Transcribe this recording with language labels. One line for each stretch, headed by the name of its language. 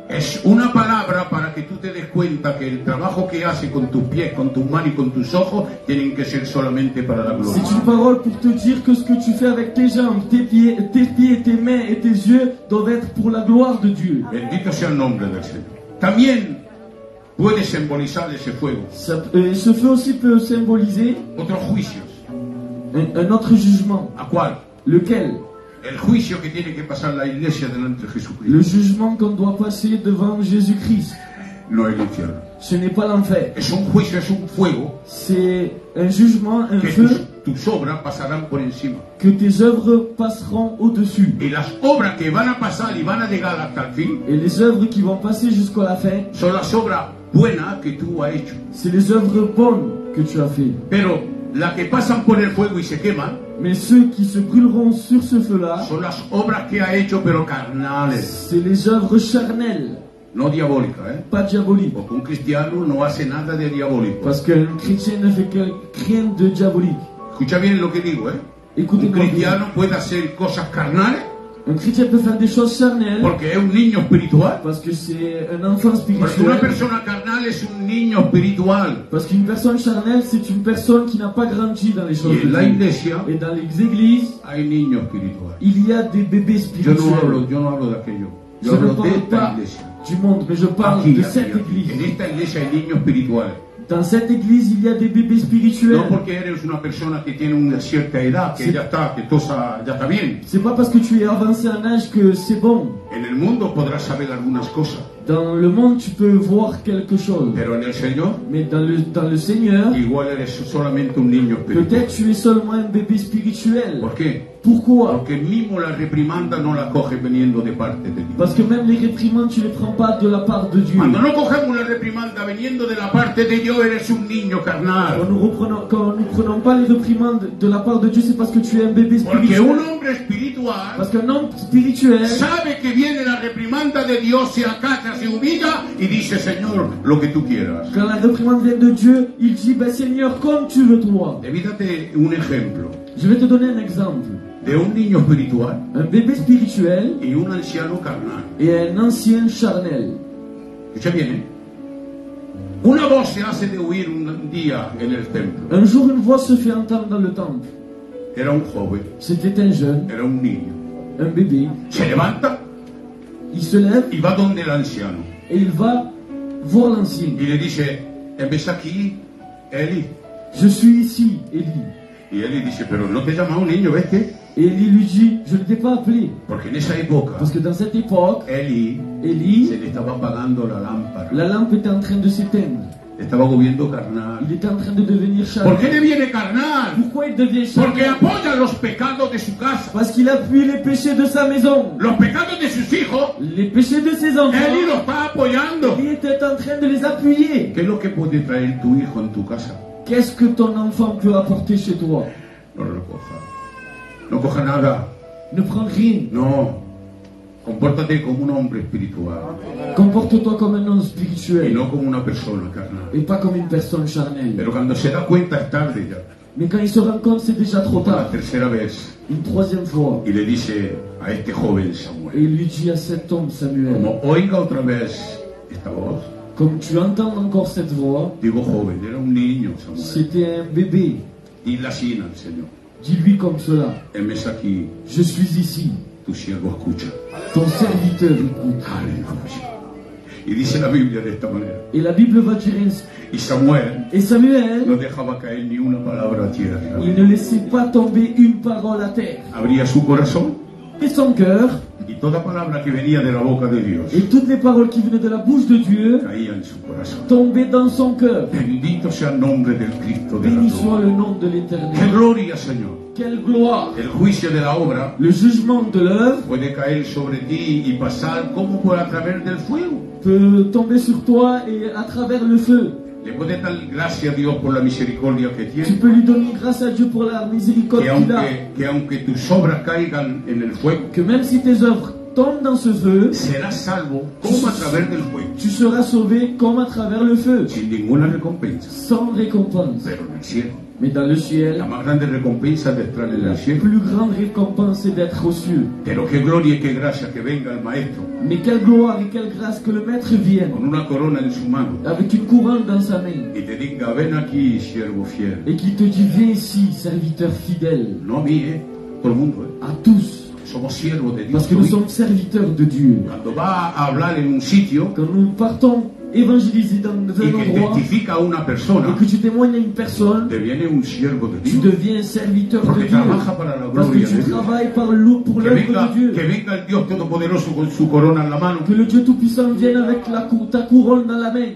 Spanish: Es una palabra para que tú te des cuenta que el trabajo que haces con tus pies, con tus manos y con tus ojos tienen que ser solamente para la gloria.
French: C'est une parole pour te dire que ce que tu fais avec tes jambes, tes pieds, tes mains et tes yeux doivent être pour la gloire de Dieu.
Spanish: Bendito sea el nombre del Señor. También puede simbolizar ese fuego.
French: Ce feu aussi peut symboliser
Spanish: otros juicios.
French: Un autre jugement.
Spanish: ¿A cuál?
French: Lequel?
Spanish: El juicio que tiene que pasar la iglesia delante de Jesucristo.
French: Le jugement qu'on doit passer devant Jésus-Christ.
Spanish: No es el infierno.
French: Ce n'est pas l'enfer.
Spanish: Es un juicio, es un fuego.
French: C'est un jugement, un feu.
Spanish: Tus obras pasarán por encima.
French: Que tes œuvres passeront au-dessus.
Spanish: Y las obras que van a pasar y van a llegar hasta el fin.
French: Et les œuvres qui vont passer jusqu'à la fin.
Spanish: Son las obras buenas que tú has hecho.
French: C'est les œuvres bonnes que tu as fait.
Spanish: Pero las que pasan por el fuego y se queman.
French: Mais ceux qui se brûleront sur ce feu-là.
Spanish: Son las obras que ha hecho pero carnales.
French: C'est les œuvres charnelles.
Spanish: No diabólica, ¿eh?
French: Pas diabolique.
Spanish: Porque un cristiano no hace nada de diabólico.
French: Parce qu'un chrétien ne fait que rien de diabolique.
Spanish: Escucha bien lo que digo, ¿eh?
French: Écoutez,
Spanish: un cristiano puede hacer cosas carnales.
French: Un chrétien peut faire des choses charnelles.
Spanish: Porque es un niño espiritual.
French: Parce que c'est un enfant spirituel.
Spanish: Porque una persona carnal es un niño espiritual.
French: Parce qu'une personne charnelle, c'est une personne qui n'a pas grandi dans les choses.
Spanish: Y en la iglesia.
French: Et dans les églises.
Spanish: Hay niños espirituales.
French: Il y a des bébés spirituels.
Spanish: Yo no hablo de aquello. Yo hablo de esta iglesia.
French: Du monde, mais je parle
Spanish: aquí,
French: de cette église.
Spanish: En esta iglesia hay niños espirituales.
French: Dans cette église, il y a des bébés spirituels.
Spanish: No porque eres una persona que tiene una cierta edad, que ya está, que tosa, ya está bien.
French: C'est pas parce que tu es avancé en âge que c'est bon.
Spanish: En el mundo podrás saber algunas cosas.
French: Dans le monde, tu peux voir quelque chose.
Spanish: Pero en el Señor.
French: Mais dans le Seigneur.
Spanish: Igual eres solamente un niño espiritual.
French: Peut-être tu es seulement un bébé spirituel.
Spanish: ¿Por qué?
French: Pourquoi?
Spanish: Porque mismo la reprimanda no la coge veniendo de parte de Dios.
French: Parce que même les réprimandes tu les prends pas de la part de Dieu.
Spanish: Cuando no cogemos la reprimanda veniendo de la parte de Dios eres un niño carnal.
French: Quand nous prenons pas les réprimandes de la part de Dieu c'est parce que tu es un bébé spirituel.
Spanish: Porque un hombre espiritual.
French: Parce qu'un homme spirituel.
Spanish: Sabe que viene la reprimanda de Dios, se acata, se humilla y dice Señor lo que tú quieras.
French: Quand la réprimande vient de Dieu il dit ben Seigneur comme tu veux toi.
Spanish: Évitate un ejemplo.
French: Je vais te donner un exemple.
Spanish: De un niño espiritual.
French: Un bébé spirituel.
Spanish: Y un anciano carnal.
French: Et un ancien charnel.
Spanish: Escucha bien. Una voz se hace de oír un día en el templo.
French: Un jour une voix se fait entendre dans le temple.
Spanish: Era un joven.
French: C'était un jeune.
Spanish: Era un niño.
French: Un bébé.
Spanish: Se levanta.
French: Il se lève.
Spanish: Y va donde el anciano.
French: Et il va voir l'ancien.
Spanish: Y le dice, ¿Ves aquí, Eli?
French: Je suis ici, Eli.
Spanish: Y él le dice, pero no te he llamado niño, ¿ves qué?
French: Eli lui dit, je ne t'ai pas appelé.
Spanish: Porque en esa época.
French: Parce que dans cette époque.
Spanish: Eli. Se le estaba apagando la lámpara.
French: La lampe était en train de s'éteindre.
Spanish: Estaba volviendo carnal.
French: Il était en train de devenir charnel.
Spanish: ¿Por qué deviene carnal?
French: Pourquoi il devient charnel?
Spanish: Porque apoya los pecados de su casa.
French: Parce qu'il appuie les péchés de sa maison.
Spanish: Los pecados de sus hijos.
French: Les péchés de ses enfants.
Spanish: Eli los está apoyando.
French: Eli était en train de les appuyer.
Spanish: ¿Qué es lo que puede traer tu hijo en tu casa?
French: Qu'est-ce que ton enfant peut apporter chez toi? Non, ne
Spanish: coja. No coja nada.
French: Ne prends rien. Non.
Spanish: Compórtate
French: comme un homme spirituel. Comporte-toi comme un homme spirituel. Et non comme une personne carnale. Et pas comme une personne charnelle.
Spanish: Pero cuando se da cuenta, es tarde ya.
French: Mais quand il se rend compte, c'est déjà trop tard.
Spanish: La tercera vez.
French: Une troisième fois.
Spanish: Y le dice a este joven Samuel.
French: Et il lui dit à cet homme Samuel.
Spanish: Como oiga otra vez esta voz.
French: Comme tu entends encore cette voix,
Spanish: digo, joven, era un niño,
French: c'était un bébé.
Spanish: Dile así, no, señor.
French: Dis-lui comme cela.
Spanish: Es aquí.
French: Je suis ici.
Spanish: Tu siervo escucha. Ton serviteur écoute. Aleluya. Y dice la Biblia de esta manera.
French: Et la Bible va dire ainsi.
Spanish: Y Samuel.
French: Et Samuel.
Spanish: No dejaba caer ni una palabra a tierra.
French: Il ne laissait pas tomber une parole à terre.
Spanish: Abría su corazón.
French: Et son cœur.
Spanish: Y toda palabra que venía de la boca de Dios.
French: Et toutes les paroles qui venaient de la bouche de Dieu.
Spanish: Caían en su corazón.
French: Tombaient dans son cœur.
Spanish: Bendito sea el nombre del Cristo de la
French: gloria. Béni soit le nom de l'Éternel.
Spanish: Qué gloria, Señor.
French: Quelle gloire.
Spanish: El juicio de la obra.
French: Le jugement de l'œuvre.
Spanish: Puede caer sobre ti y pasar como por a través del fuego.
French: Peut tomber sur toi et à travers le feu.
Spanish: Le puede dar gracias a Dios por la misericordia que tiene.
French: Tu peux lui donner grâce à Dieu pour la miséricorde qu'il a.
Spanish: Que aunque tus obras caigan en el fuego.
French: Que même si tes œuvres tombent dans ce feu.
Spanish: Serás salvo como a través del fuego.
French: Tu seras sauvé comme à travers le feu.
Spanish: Sin ninguna recompensa.
French: Sans récompense.
Spanish: Pero en el cielo.
French: Mais dans le ciel.
Spanish: La más grande recompensa de estar en el cielo.
French: La plus grande récompense est d'être aux cieux.
Spanish: Pero qué gloria y qué gracia que venga el maestro.
French: Mais quelle gloire et quelle grâce que le maître vienne.
Spanish: Con una corona en su mano.
French: Avec une couronne dans sa main.
Spanish: Y te diga, ven aquí, siervo fiel.
French: Et qu'il te dit, viens ici, serviteur fidèle.
Spanish: No a mí, todo el mundo.
French: A tous.
Spanish: Somos siervos de Dios.
French: Parce que nous sommes serviteurs de Dieu.
Spanish: Cuando va a hablar en un sitio.
French: Quand nous partons. évangélisé dans un endroit
Spanish: a una persona,
French: et que tu témoignes à une personne,
Spanish: deviene un siervo de Dios,
French: tu deviens un serviteur de Dieu
Spanish: para la
French: parce que tu
Spanish: de
French: travailles par pour l'œuvre de Dieu.
Spanish: Que venga el Dios todopoderoso con su corona en la mano.
French: Que le Dieu Tout-Puissant vienne avec ta couronne dans la main.